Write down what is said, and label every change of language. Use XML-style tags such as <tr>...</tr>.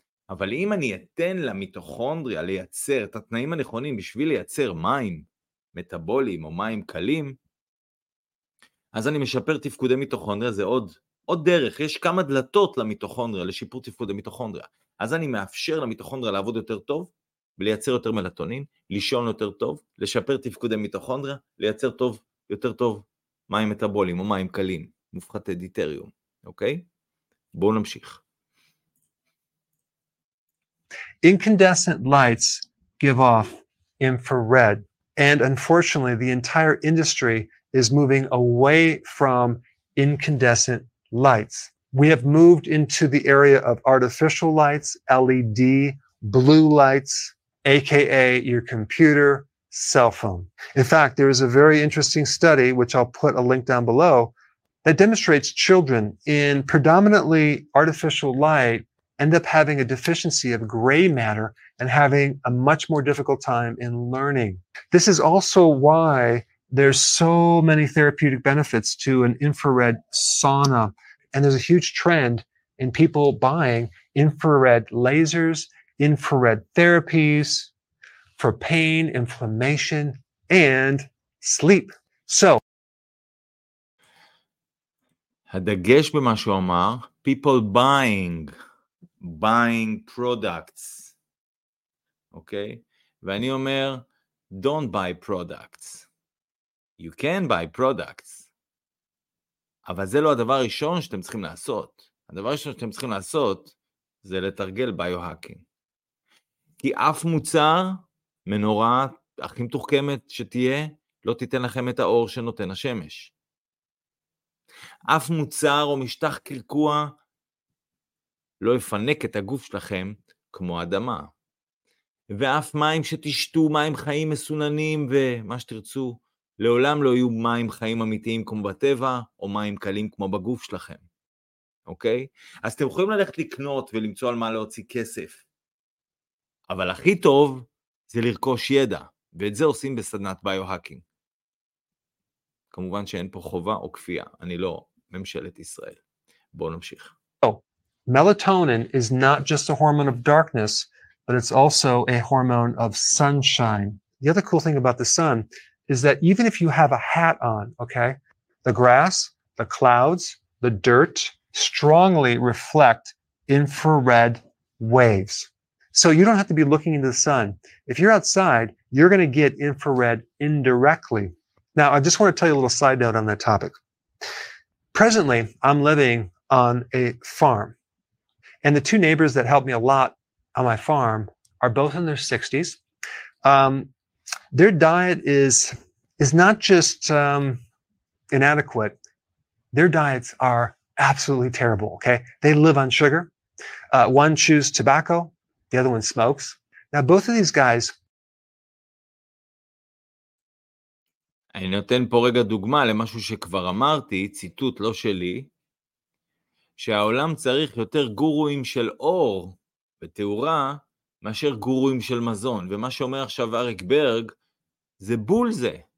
<he>אבל אם אני אתן למיטוכונדריה לייצר את התנאים הנכונים בשביל לייצר מים מטאבוליים או מים קלים, אז אני משפר תפקודי מיטוכונדריה, זה עוד דרך, יש כמה דלתות למיטוכונדריה, לשיפור תפקודי מיטוכונדריה. אז אני מאפשר למיטוכונדריה לעבוד יותר טוב, לייצר יותר מלטונין, לישון יותר טוב, לשפר תפקודי מיטוכונדריה, לייצר טוב, יותר טוב מים מטאבוליים או מים קלים, מופחתי דיטריום, אוקיי? בואו נמשיך.</he> <en>Incandescent lights give off infrared, and unfortunately the entire industry is moving away from incandescent lights. We have moved into the area of artificial lights, LED, blue lights, aka your computer, cell phone. In fact, there is a very interesting study, which I'll put a link down below, that demonstrates children in predominantly artificial light end up having a deficiency of gray matter and having a much more difficult time in learning. This is also why there's so many therapeutic benefits to an infrared sauna. And there's a huge trend in people buying infrared lasers, infrared therapies for pain, inflammation, and sleep. So,</en> <he>הדגש במה שהוא אמר,</he> <en>people buying products, okay?</en> <he>ואני אומר,</he> <en>don't buy products. You can buy products.</en> <he>אבל זה לא הדבר הראשון שאתם צריכים לעשות. הדבר הראשון שאתם צריכים לעשות זה לתרגל ביוהאקינג. כי אף מוצר, מנורה הכי מתוחכמת שתהיה, לא תיתן לכם את האור שנותן השמש. אף מוצר או משטח קרקוע לא יפנק את הגוף שלכם כמו אדמה. ואף מים שתשתו, מים חיים מסוננים ומה שתרצו, לעולם לא יהיו מים חיים אמיתיים כמו בטבע, או מים קלים כמו בגוף שלכם. אוקיי? אז אתם יכולים ללכת לקנות ולמצוא על מה להוציא כסף. אבל הכי טוב זה לרכוש ידע, ואת זה עושים בסדנת ביו-האקינג. כמובן שאין פה חובה או כפייה, אני לא ממשלת ישראל. בואו נמשיך.</he> <en>Melatonin is not just a hormone of darkness, but it's also a hormone of sunshine. The other cool thing about the sun is that even if you have a hat on, okay, the grass, the clouds, the dirt strongly reflect infrared waves. So you don't have to be looking into the sun. If you're outside, you're going to get infrared indirectly. Now, I just want to tell you a little side note on that topic. Presently, I'm living on a farm. And the two neighbors that helped me a lot on my farm are both in their 60s. Their diet is not just inadequate. Their diets are absolutely terrible, okay? They live on sugar. One chews tobacco, the other one smokes. Now both of these guys</en> <he>אני נותן פה רגע דוגמה למשהו שכבר אמרתי, ציטוט לא שלי. שהעולם צריך יותר גורואים של אור ותאורה מאשר גורואים של מזון. ומה שאומר עכשיו אריק ברג, זה בול זה.</he>